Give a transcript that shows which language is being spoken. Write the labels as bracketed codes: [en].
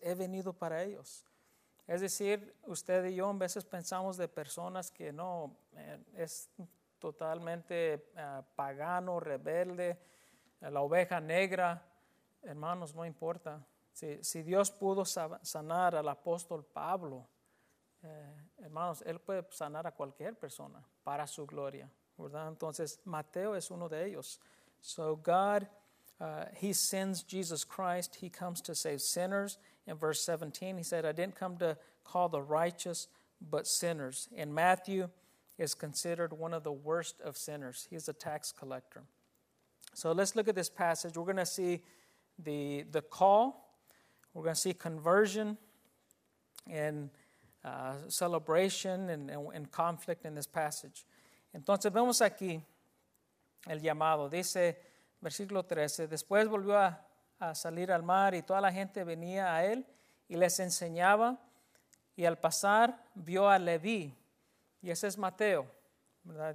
[es] He venido para ellos. Es decir, usted y yo a veces pensamos de personas que no, es totalmente pagano, rebelde, la oveja negra. Hermanos, no importa. Si Dios pudo sanar al apóstol Pablo, hermanos, Él puede sanar a cualquier persona para su gloria, ¿verdad? Entonces, Mateo es uno de ellos. [en] So God, He sends Jesus Christ. He comes to save sinners. In verse 17, He said, I didn't come to call the righteous, but sinners. And Matthew is considered one of the worst of sinners. He's a tax collector. So let's look at this passage. We're going to see the call. We're going to see conversion and celebration and conflict in this passage. [es] Entonces vemos aquí el llamado. Dice, versículo 13, después volvió a salir al mar y toda la gente venía a él y les enseñaba. Y al pasar vio a Leví. Y ese es Mateo, ¿verdad?